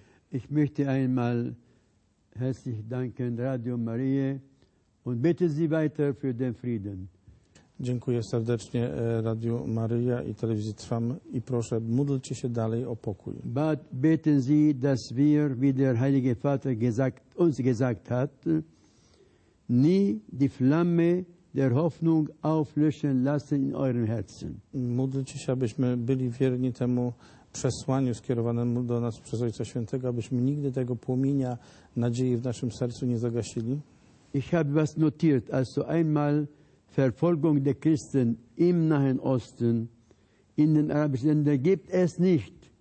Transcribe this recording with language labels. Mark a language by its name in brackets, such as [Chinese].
[German] Ich möchte einmal herzlich danken Radio Maria und bitte Sie weiter für den Frieden. [Polish] Dziękuję serdecznie Radio Maria i Telewizji Trwam i proszę, módlcie się dalej o pokój. [German] But beten Sie, dass wir, wie der Heilige Vater uns gesagt hat, nie die Flamme der Hoffnung auflöschen lassen in euren Herzen. [Polish] Módlcie się, abyśmy byli wierni temu przesłaniu skierowanemu do nas przez Ojca Świętego, abyśmy nigdy tego płomienia nadziei w naszym sercu nie zagasili. [German] Ich habe was notiert, also einmal Verfolgung der Christen im Nahen Osten, in den arabischen Ländern gibt es nicht.